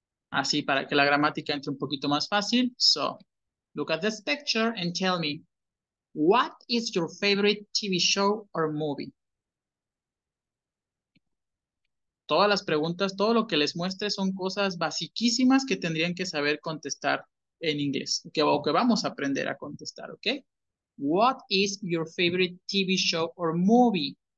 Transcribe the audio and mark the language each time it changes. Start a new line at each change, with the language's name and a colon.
Spanish: Así para que la gramática entre un poquito más fácil.
English: So, look at this picture and tell me, what is your favorite TV show or movie?
Spanish: Todas las preguntas, todo lo que les muestre son cosas basiquísimas que tendrían que saber contestar en inglés, que vamos a aprender a contestar, ¿ok?
English: What is your favorite TV show or movie?